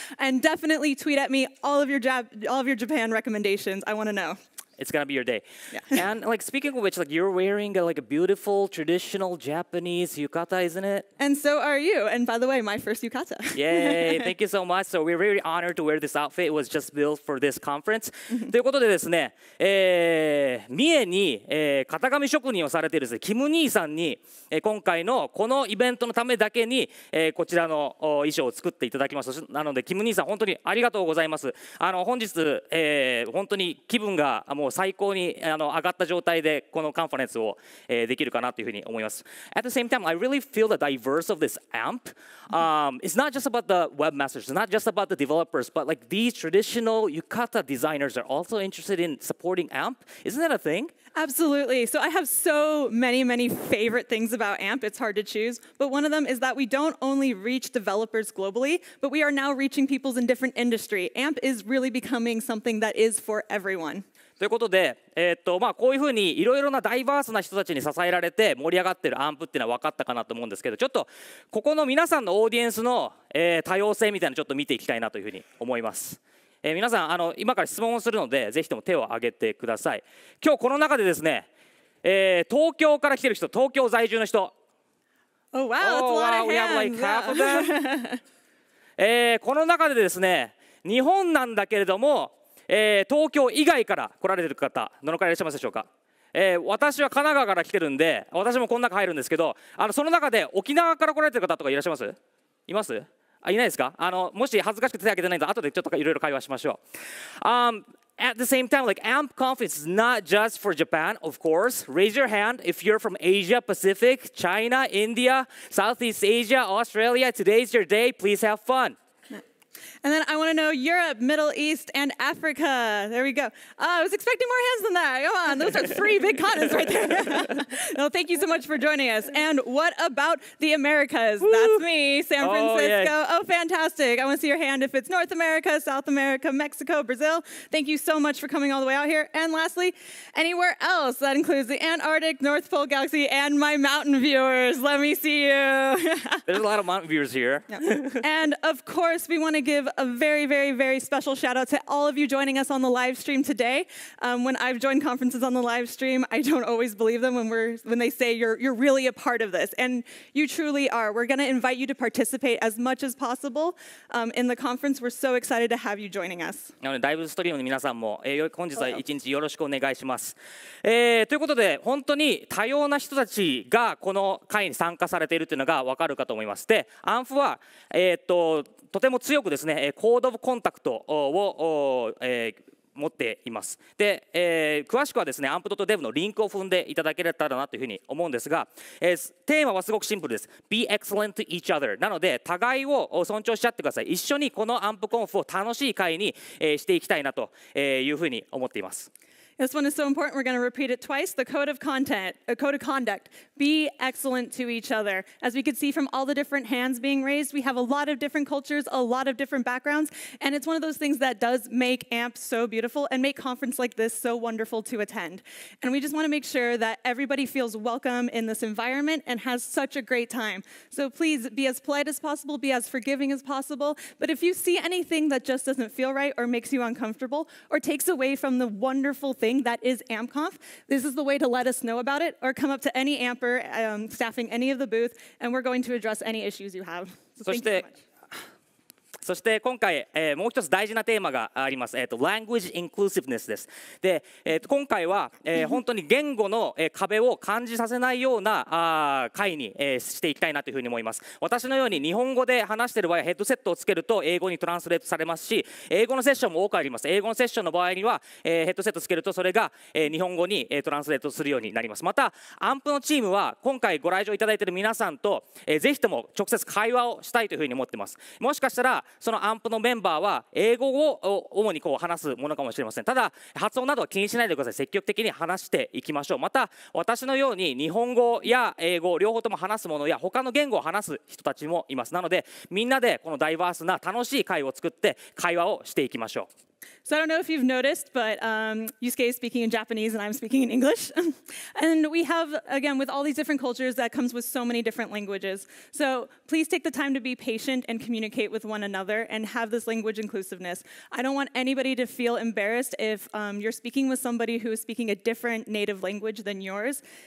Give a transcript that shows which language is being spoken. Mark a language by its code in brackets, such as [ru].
[en] And definitely tweet at me all of your Japan recommendations. I want to know. It's gonna be your day. Yeah. And like speaking of which, like you're wearing a beautiful traditional Japanese yukata, isn't it? And so are you. And by the way, my first yukata. Yay, thank you so much. So we're really honored to wear this outfit. It was just built for this conference. [ja] ということでですね、三重に、型紙職人をされているです、ね、キム兄さんに、今回のこのイベントのためだけに、こちらの衣装を作っていただきました。なのでキム兄さん、本当にありがとうございます。本日、本当に気分がもう最高に上がった状態でこのカンファレンスを、できるかなというふうに思います。 [en] At the same time, I really feel the diverse of this AMP. It's not just about the webmasters, it's not just about the developers, but like these traditional yukata designers are also interested in supporting AMP. Isn't that a thing? Absolutely. So I have so many, many favorite things about AMP. It's hard to choose. But one of them is that we don't only reach developers globally, but we are now reaching people in different industry. AMP is really becoming something that is for everyone. [ja] ということで、まあ、こういうふうにいろいろなダイバースな人たちに支えられて盛り上がってるアンプっていうのは分かったかなと思うんですけど、ちょっとここの皆さんのオーディエンスの、多様性みたいなのちょっと見ていきたいなというふうに思います。皆さん今から質問をするのでぜひとも手を挙げてください。今日この中でですね、東京から来てる人、東京在住の人。 [en] Oh wow, that's a lot of hands. We have like half of them. [ja] 、この中でですね、日本なんだけれども、東京以外から来られてる方、どのくらいいらっしゃいますでしょうか。私は神奈川から来てるんで、私もこの中入るんですけど、その中で沖縄から来られてる方とかいらっしゃいます。います。いないですか。もし恥ずかしくて手を挙げてないと後でちょっといろいろ会話しましょう。 [en] At the same time, like AMP Conf is not just for Japan, of course. Raise your hand if you're from Asia, Pacific, China, India, Southeast Asia, Australia. Today's your day. Please have fun. And then I want to know Europe, Middle East, and Africa. There we go. I was expecting more hands than that. Come on. Those are three big continents right there. No, thank you so much for joining us. And what about the Americas? That's me, San Francisco. Oh, yeah. Oh, fantastic. I want to see your hand if it's North America, South America, Mexico, Brazil. Thank you so much for coming all the way out here. And lastly, anywhere else. That includes the Antarctic, North Pole Galaxy, and my mountain viewers. Let me see you. There's a lot of mountain viewers here. Yeah. And of course, we want to give a very, very, very special shout out to all of you joining us on the live stream today. When I've joined conferences on the live stream, I don't always believe them when they say you're really a part of this. And you truly are. We're going to invite you to participate as much as possible in the conference. We're so excited to have you joining us. [ja] ダイブストリームの皆さんも、本日は一日よろしくお願いします。ということで、本当に多様な人たちがこの会に参加されているというのが分かるかと思います。で、アンフは、とても強くですね、コードオブコンタクトを、持っています。で、詳しくはですね、amp.dev のリンクを踏んでいただけたらなというふうに思うんですが、テーマはすごくシンプルです。 [en] Be excellent to each other。 [ja] なので、互いを尊重しちゃってください。一緒にこの ampconf を楽しい会に、していきたいなというふうに思っています。 [en] This one is so important, we're going to repeat it twice. The code of content, a code of conduct. Be excellent to each other. As we could see from all the different hands being raised, we have a lot of different cultures, a lot of different backgrounds, and it's one of those things that does make AMP so beautiful and make conference like this so wonderful to attend. And we just want to make sure that everybody feels welcome in this environment and has such a great time. So please be as polite as possible, be as forgiving as possible, but if you see anything that just doesn't feel right or makes you uncomfortable or takes away from the wonderful thing that is AmpConf, this is the way to let us know about it or come up to any Amper staffing any of the booth and we're going to address any issues you have. So thank you so much. [ja] そして今回、もう一つ大事なテーマがあります。 [en] Language Inclusiveness [ja] です。で、今回は、本当に言語の、壁を感じさせないような会に、していきたいなというふうに思います。私のように日本語で話している場合はヘッドセットをつけると英語にトランスレートされますし、英語のセッションも多くあります。英語のセッションの場合には、ヘッドセットつけるとそれが、日本語に、トランスレートするようになります。また、AMPのチームは今回ご来場いただいている皆さんと、ぜひとも直接会話をしたいというふうに思っています。もしかしたらそのアンプのメンバーは英語を主にこう話すものかもしれません。ただ発音などは気にしないでください。積極的に話していきましょう。また私のように日本語や英語両方とも話すものや他の言語を話す人たちもいます。なのでみんなでこのダイバースな楽しい会を作って会話をしていきましょう。 [en] So I don't know if you've noticed, but Yusuke is speaking in Japanese and I'm speaking in English. And we have, again, with all these different cultures, that comes with so many different languages. So please take the time to be patient and communicate with one another and have this language inclusiveness. I don't want anybody to feel embarrassed if you're speaking with somebody who is speaking a different native language than yours.